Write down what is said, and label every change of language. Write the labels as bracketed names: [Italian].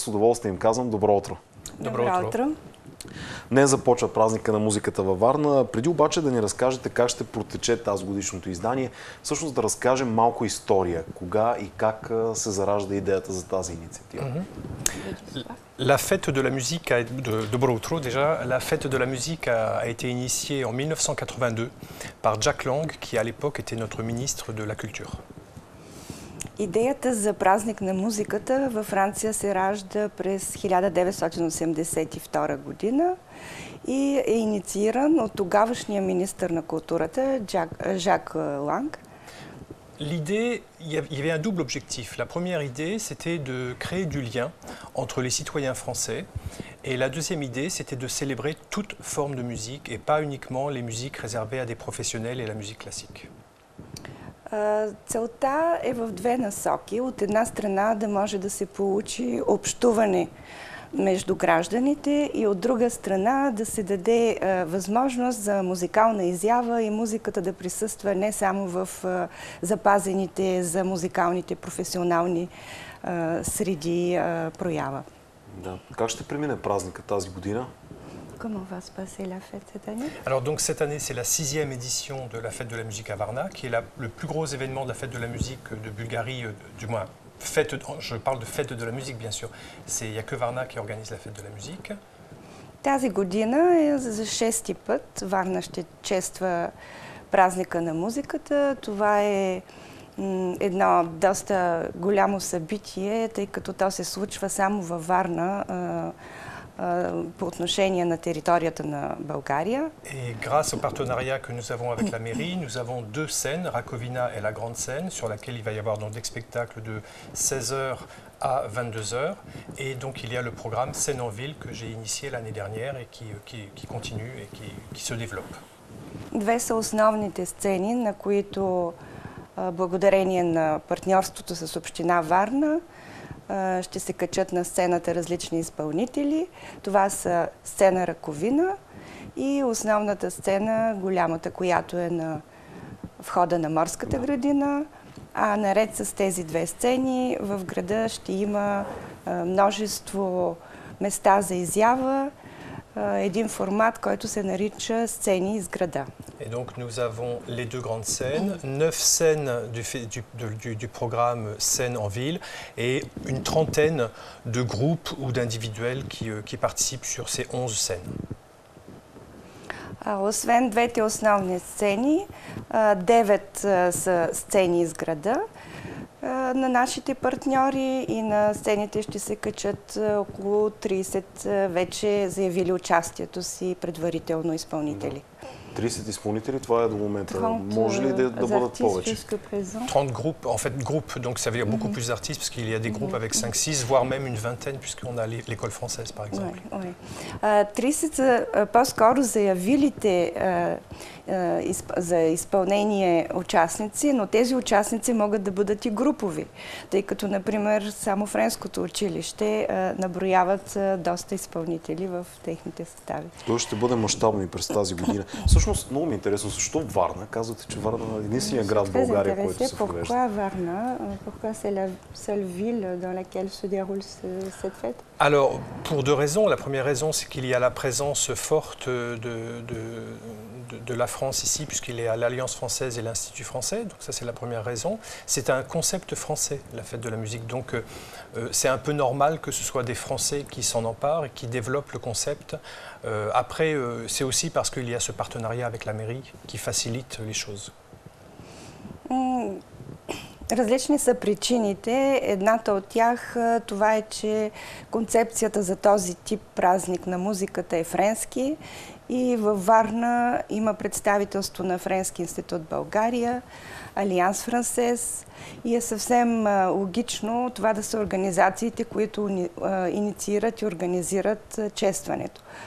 [Bulgarian] С удоволствие им казвам добро утро. Добро утро. Днес започва празника на музиката във Варна. Преди обаче да ни разкажете как ще протече тази годишното издание, всъщност да разкажем малко история. Кога и как се заражда идеята за тази инициатива? [French] La fête de la musique a, de outro, déjà, la fête de la musique a été initiée en 1982 par Jack Lang, qui à l'époque était notre ministre de la culture. [Bulgarian] Идеята за празник на музиката във Франция се ражда през 1982 година и е иницииран от тогавашния министър на културата Жак Ланг. [French] L'idée, il y avait un double objectif. La première idée, c'était de créer du lien entre les citoyens français, et la deuxième idée, c'était de célébrer toute forme de musique et pas uniquement les musiques réservées à des professionnels et la musique classique. [Bulgarian] Целта е в две насоки. От една страна да може да се получи общуване между гражданите и от друга страна да се даде възможност за музикална изява и музиката да присъства не само в запазените за музикалните професионални среди проява. Да. Как ще премине празника тази година? [French] Comment va se passer la fête cette année? Alors donc cette année c'est la sixième édition de la fête de la musique à Varna, qui est la, le plus gros événement de la fête de la musique de Bulgarie, du moins fête. Je parle de fête de la musique bien sûr. C'est il y a que Varna qui organise la fête de la musique. [Bulgarian] Тази година е за шести път Варна ще чества празника на музиката. Това е едно доста голямо събитие, тъй като то се случва само във Варна. По отношение на територията на България. И [French] grâce au partenariat que nous avons avec la mairie, nous avons deux scènes, Rakovina et la grande scène, sur laquelle il va y avoir donc des spectacles de 16h à 22h, et donc il y a le programme Scène en ville que j'ai initié l'année dernière et qui continue et qui se développe. [Bulgarian] Две са основните сцени, на които благодарение на партньорството с община Варна ще се качат на сцената различни изпълнители. Това са сцена Раковина и основната сцена, голямата, която е на входа на Морската градина. А наред с тези две сцени в града ще има множество места за изява, един формат, който се нарича сцени из града. [French] Et donc nous avons les deux grandes scènes, 9 scènes du programme Scène en ville et une trentaine de groupes ou d'individuels qui participent sur ces 11 scènes. [Bulgarian] Освен двете основни сцени, 9 са сцени из града. На нашите партньори и на сцените ще се качат около 30 вече заявили участието си предварително изпълнители. 30 исполнители, това е до момента. Може ли да бъдат повече? 30 групи, [French] en fait, [Bulgarian] групи, [French] donc ça veut dire beaucoup plus d'artistes, parce qu'il y a des groupes avec 5-6, voire même une vingtaine, puisqu'on a l'école française, par exemple. [Bulgarian] 30 по-скоро заявилите за изпълнение участници, но тези участници могат да бъдат и групови, тъй като, например, само Френското училище наброяват доста изпълнители в техните състави. Това ще бъде мащабно и през тази година. Всъщност, много ми е интересно, защо Варна? Казвате, че Варна е единствения град в България, който се провежда. [French] Pourquoi Варна? Pourquoi c'est la seule ville dans laquelle se déroule cette fête? Alors, pour deux raisons. La première raison, c'est qu'il y a la présence forte de la France ici, puisqu'il est à l'Alliance française et l'Institut français. Donc ça, c'est la première raison. C'est un concept français, la fête de la musique. Donc, c'est un peu normal que ce soit des Français qui s'en emparent et qui développent le concept. Après, c'est aussi parce qu'il y a ce partenariat avec la mairie qui facilite les choses. [Bulgarian] Различни са причините. Едната от тях това е, че концепцията за този тип празник на музиката е френски и във Варна има представителство на Френски институт България, Алианс Франсез и е съвсем логично това да са организациите, които инициират и организират честването.